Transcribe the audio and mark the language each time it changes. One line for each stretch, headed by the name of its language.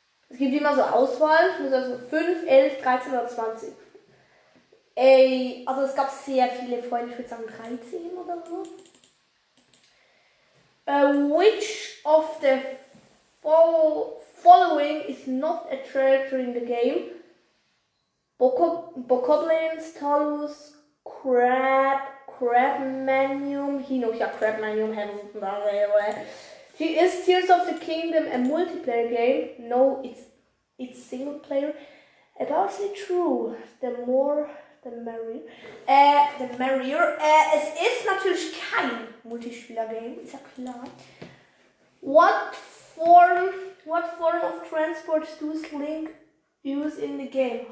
German: Es gibt immer so Auswahl, ich muss also 5, 11, 13 oder 20. Ey, also es gab sehr viele Freunde, ich würde sagen 13 oder so.
English: Which of the following is not a traitor in the game? Bokoblins, Talus, Crabmanium, Hino, ja, Crabmanium, ist Tears of the Kingdom a multiplayer game? No, it's single player. Apparently true. The more, the merrier.
German: Es ist natürlich kein Multispieler-Game, ist ja klar.
English: What form of transport does Link use in the game?